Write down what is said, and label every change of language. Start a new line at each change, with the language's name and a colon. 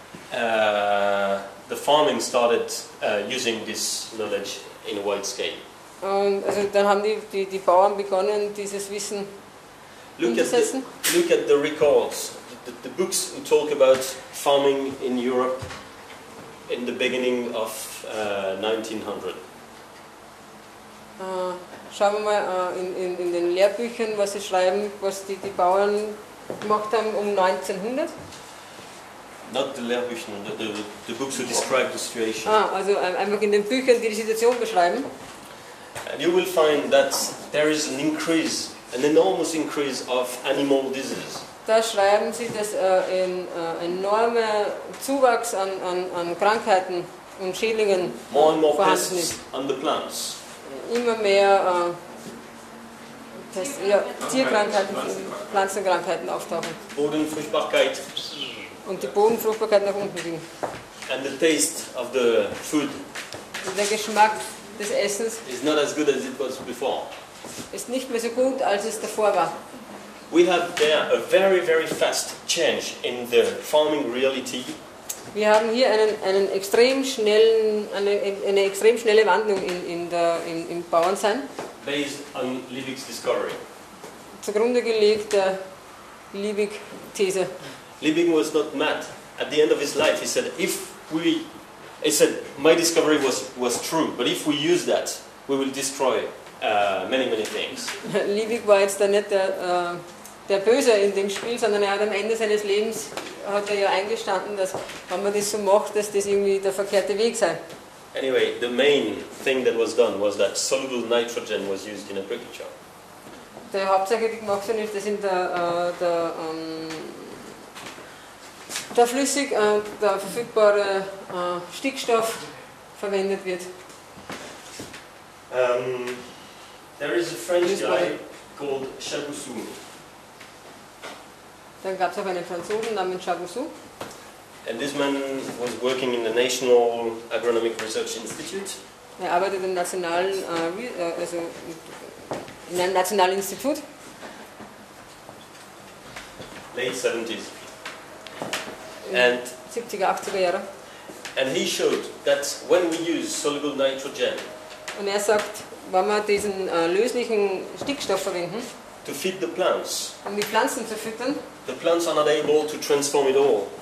English: The farming started using this knowledge in a wide scale.
German: Und also dann haben die Bauern begonnen, dieses Wissen umzusetzen.
English: Look at the records. The books who talk about farming in Europe in the beginning of 1900.
German: Schauen wir mal in den Lehrbüchern, was sie schreiben, was die Bauern gemacht haben um 1900.
English: Not the Lehrbüchern, the books who describe the situation.
German: Ah, also einfach in den Büchern, die die Situation beschreiben.
English: And you will find that there is an increase, an enormous increase of animal disease.
German: Da schreiben sie, dass ein enormer Zuwachs an Krankheiten und Schädlingen
English: more and more
German: vorhanden
English: pests
German: ist.
English: On the plants.
German: Immer mehr Tierkrankheiten, Pflanzenkrankheiten auftauchen. Bodenfruchtbarkeit. Und die Bodenfruchtbarkeit nach unten ging.
English: And the taste of the food.
German: Und der Geschmack des Essens
English: is not as good as it was before.
German: Ist nicht mehr so gut, als es davor war.
English: We have there a very, very fast change in the farming reality.
German: Wir haben hier einen extrem schnellen, eine extrem schnelle Wandlung im Bauernsein.
English: Based on Liebig's discovery.
German: Zugrunde gelegt der Liebig-These.
English: Liebig was not mad. At the end of his life, he said, my discovery was true, but if we use that, we will destroy many, many things.
German: Liebig war jetzt da nicht der Böse in dem Spiel, sondern er hat am Ende seines Lebens hat er ja eingestanden, dass wenn man das so macht, dass das irgendwie der verkehrte Weg sei.
English: Anyway, the main thing that was done was that soluble nitrogen was used in agriculture.
German: Der Hauptsache, die gemacht sind, ist, dass in der flüssig der verfügbare Stickstoff verwendet wird.
English: There is a French guy called Chagusou.
German: Dann gab es auch einen Franzosen namens Chagusou.
English: And this man was working in the National Agronomic Research Institute.
German: Er arbeitet im nationalen, also in einem nationalen Institut.
English: Late 70s.
German: And 70er, 80er Jahre.
English: And he showed that when we use soluble nitrogen.
German: Und er sagt, wenn wir diesen löslichen Stickstoff verwenden.
English: To feed the plants.
German: Um die Pflanzen zu füttern.
English: The plants are not able to transform it all.